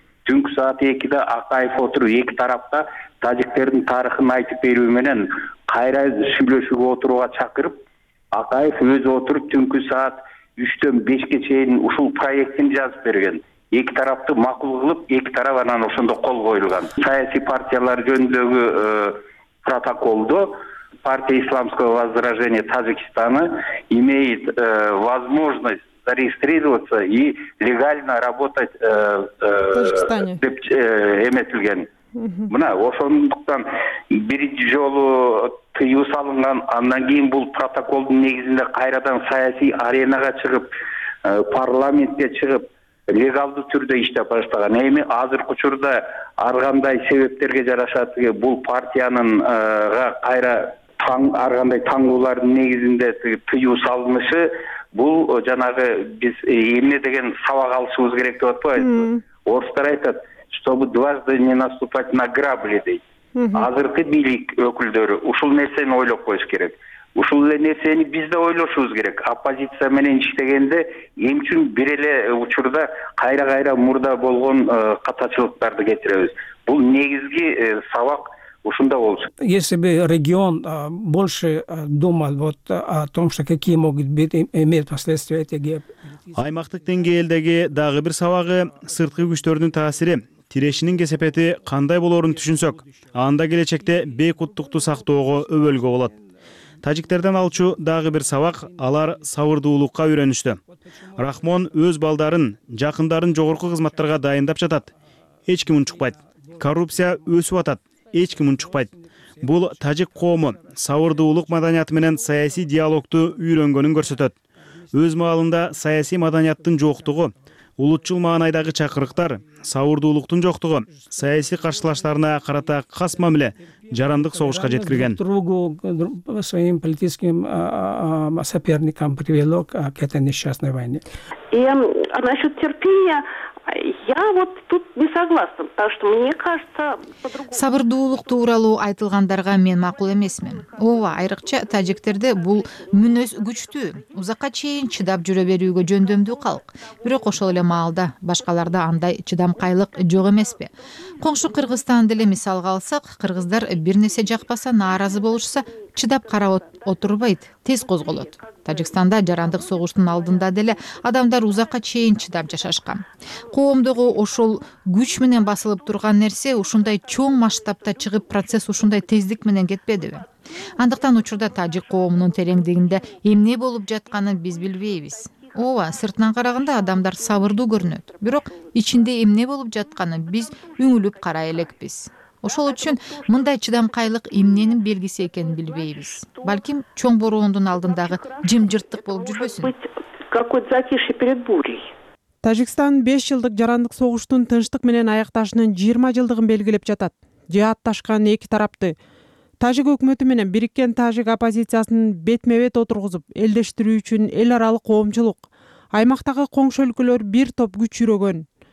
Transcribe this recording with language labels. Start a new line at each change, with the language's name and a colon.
Kyrgyz: Түнкү саат 2:00 Акаев отуруп эки тарапта тажиктердин тарыхын айтып берүү менен кайра сүйлөшүүгө отурууга чакырып, Акаев өзү отуруп түнкү саат 3:00-5:00 чейин ушул проектин жазып берген. Эки тарапты макул кылып, эки тарап анан ошондо кол коюлган. Саясий партиялар жөнүндөгү протоколдо
Russian: партия исламского возрождения Таджикистана имеет возможность зарегистрироваться и легально работать
Kyrgyz: деп эметилген. Мына ошондуктан бир жолу тыюу салынган, андан кийин бул протоколдун негизинде кайрадан саясий аренага чыгып, парламентке чыгып легалдуу түрдө иштеп баштаган. Эми азыркы учурда ар кандай себептерге жараша тиги бул партиянын кайра ар кандай таңдоолордун негизинде тыюу салынышы бул жанагы биз эмне деген сабак алышыбыз керек деп атпайбызбы? Орустар айтат,
Russian: чтобы дважды не наступать на грабли
Kyrgyz: дейт. Азыркы бийлик өкүлдөрү ушул нерсени ойлоп коюш керек. Ушул эле нерсени биз да ойлошубуз керек. Оппозиция менен иштегенде эмне үчүн бир эле учурда кайра кайра мурда болгон катачылыктарды кетиребиз? Бул негизги сабак ушунда болчу.
Russian: Если бы регион больше думал вот о том, что какие могут быть иметь последствия эти геополитические.
Kyrgyz: Аймактык деңгээлдеги дагы бир сабагы сырткы күчтөрдүн таасири. Тирешинин кесепети кандай болорун түшүнсөк, анда келечекте бейкуттукту сактоого өбөлгө болот. Тажиктерден алчу дагы бир сабак, алар сабырдуулукка үйрөнүштү. Рахмон өз балдарын, жакындарын жогорку кызматтарга дайындап жатат. Эч ким унчукпайт. Коррупция өсүп атат. Эч ким унчукпайт. Бул тажик коому сабырдуулук маданияты менен саясий диалогду үйрөнгөнүн көрсөтөт. Өз маалында саясий маданияттын жоктугу, улутчул маанайдагы чакырыктар, сабырдуулуктун жоктугу саясий каршылаштарына карата кас мамиле жарандык согушка жеткирген.
Russian: Другу своим политическим соперникам привело к этой несчастной войне. И насчет терпения я вот тут не согласна, потому что мне кажется,
Kyrgyz: сабырдуулук тууралуу айтылгандарга мен макул эмесмин. Ооба, айрыкча тажиктерде бул мүнөз күчтүү, узакка чейин чыдап жүрө берүүгө жөндөмдүү калк. Бирок ошол эле маалда башкаларда андай чыдамкайлык жок эмеспи? Коңшу Кыргызстан деле мисалга алсак, кыргыздар бир нерсе жакпаса, нааразы болушса, чыдап карап отурбайт, тез козголот. Тажикстанда жарандык согуштун алдында деле адамдар узакка чейин чыдап жашашкан. Коомдогу ошол күч менен басылып турган нерсе ушундай чоң масштабта чыгып, процесс ушундай тездик менен кетпедиби? Андыктан учурда тажик коомунун тереңдигинде эмне болуп жатканын биз билбейбиз. Ооба, сыртынан караганда адамдар сабырдуу көрүнөт. Бирок ичинде эмне болуп жатканын биз үңүлүп карай элекпиз. Ошол үчүн мындай чыдамкайлык эмненин белгиси экенин билбейбиз. Балким чоң бороондун алдындагы жимжырттык болуп жүрбөсүн.
Russian: Какой-то затишье перед бурей.
Kyrgyz: Тажикстан 5 жылдык жарандык согуштун тынчтык менен аякташынын 20 жылдыгын белгилеп жатат. Жаатташкан эки тарапты тажик өкмөтү менен бириккен тажик оппозициясынын бетме-бет отургузуп, элдештирүү үчүн эл аралык коомчулук, аймактагы коңшу өлкөлөр бир топ күч жүрөгөн.